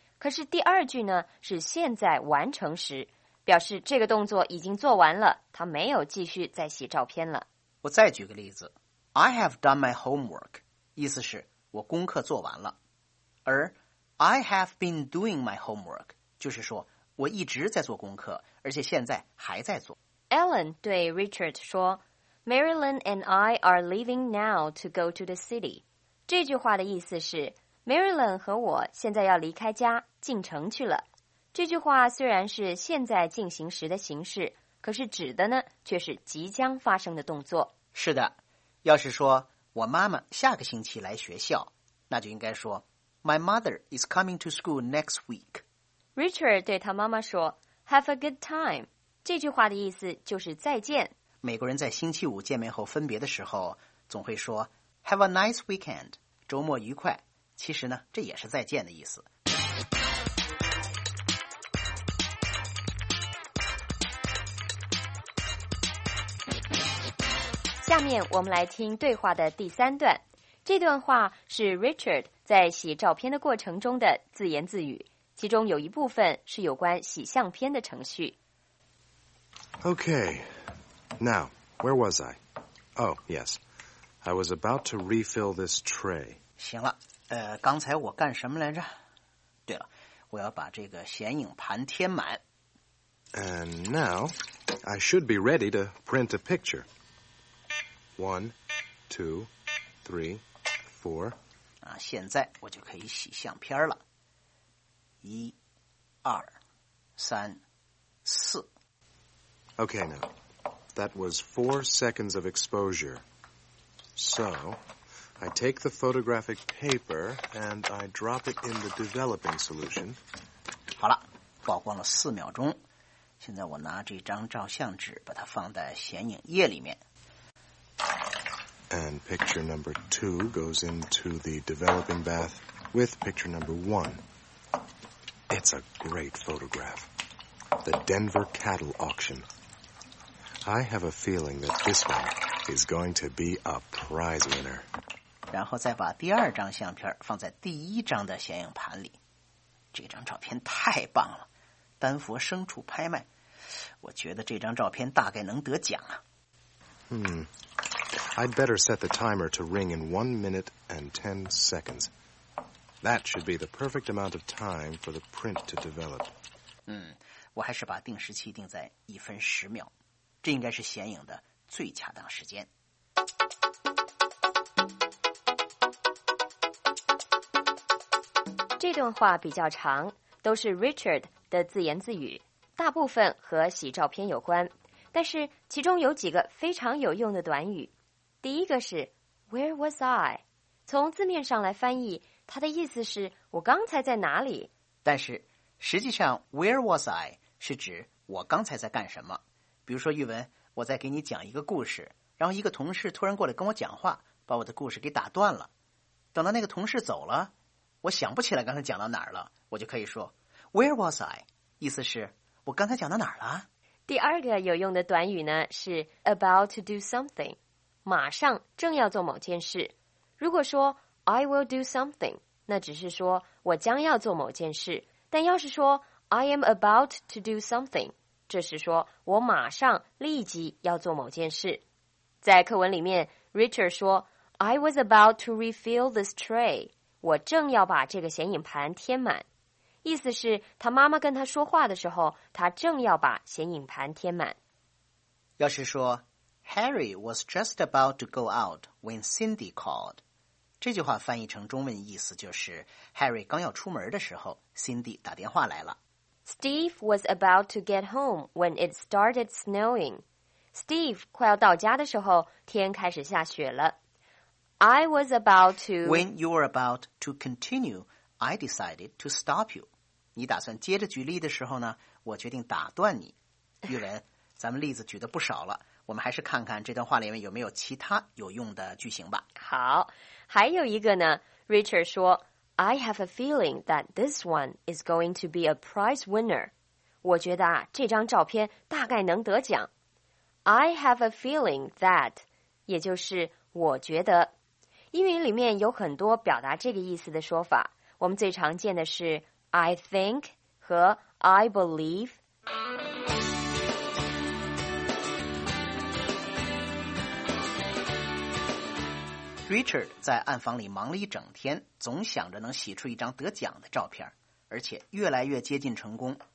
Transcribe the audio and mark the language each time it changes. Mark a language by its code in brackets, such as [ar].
[zh] 可是第二句呢是现在完成时，表示这个动作已经做完了，他没有继续再洗照片了。我再举个例子 ， [en] I have done my homework， [zh] 意思是。我功课做完了，而 [en] I have been doing my homework [zh] 就是说我一直在做功课，而且现在还在做。 [en] Ellen [zh] 对 [en] Richard [zh] 说 [en] ，Marilyn and I are leaving now to go to the city。 [zh] 这句话的意思是 Marilyn 和我现在要离开家进城去了。这句话虽然是现在进行时的形式，可是指的呢却是即将发生的动作。是的，要是说。我妈妈下个星期来学校，那就应该说 [en] My mother is coming to school next week. [zh] Richard 对他妈妈说 [en] Have a good time. [zh] 这句话的意思就是再见。美国人在星期五见面后分别的时候总会说 [en] Have a nice weekend. [zh] 周末愉快。其实呢这也是再见的意思。下面我们来听对话的第三段。这段话是 Richard 在洗照片的过程中的自言自语，其中有一部分是有关洗相片的程序。 [en] Okay, now, where was I? Oh, yes, I was about to refill this tray. [zh] 行了，刚才我干什么来着？对了，我要把这个显影盘填满。 [en] And now, I should be ready to print a picture. One, two, three, four. [zh] 啊，现在我就可以洗相片了。一、二、三、四。 [en] Okay, now, that was 4 seconds of exposure. So, I take the photographic paper and I drop it in the developing solution. [zh] 好了，曝光了4秒钟。现在我拿这张照相纸，把它放在显影液里面。 [en] And picture number 2 goes into the developing bath with picture number 1. It's a great photograph. The Denver Cattle Auction. I have a feeling that this one is going to be a prize winner. [zh] 然后再把第二张相片放在第一张的显影盘里。这张照片太棒了，丹佛牲畜拍卖。我觉得这张照片大概能得奖啊。 [en] I'd better set the timer to ring in 1 minute and 10 seconds. That should be the perfect amount of time for the print to develop. [zh] 我还是把定时器定在1分10秒，这应该是显影的最恰当时间。这段话比较长，都是 Richard 的自言自语，大部分和洗照片有关，但是其中有几个非常有用的短语。第一个是 [en] Where was I? [zh] 从字面上来翻译，它的意思是我刚才在哪里。但是实际上 [en] Where was I? [zh] 是指我刚才在干什么。比如说玉文，我在给你讲一个故事，然后一个同事突然过来跟我讲话，把我的故事给打断了。等到那个同事走了，我想不起来刚才讲到哪儿了，我就可以说 [en] Where was I? [zh] 意思是我刚才讲到哪儿了。第二个有用的短语呢是 [en] About to do something， [zh] 马上正要做某件事。如果说 [en] I will do something， [zh] 那只是说我将要做某件事。但要是说 [en] I am about to do something， [zh] 这是说我马上立即要做某件事。在课文里面 ，Richard 说 [en] I was about to refill this tray， [zh] 我正要把这个显影盘填满。意思是他妈妈跟他说话的时候，他正要把显影盘填满。要是说 [en] Harry was just about to go out when Cindy called. [zh] 这句话翻译成中文意思就是 Harry 刚要出门的时候 Cindy 打电话来了。 [en] Steve was about to get home when it started snowing. [zh] Steve 快要到家的时候天开始下雪了。 [en] I was about to... When you were about to continue, I decided to stop you. [zh] 你打算接着举例的时候呢，我决定打断你。玉文，咱们例子举得不少了，我们还是看看这段话里面有没有其他有用的句型吧。好，还有一个呢， [en] Richard [zh] 说 [en] I have a feeling that this one is going to be a prize winner. [zh] 我觉得啊，这张照片大概能得奖。 [en] I have a feeling that， [zh] 也就是我觉得。英语里面有很多表达这个意思的说法，我们最常见的是 I think 和 I believe。 Richard 在暗房里忙了一整天，总想着能洗出一张得奖的照片，而且越来越接近成功。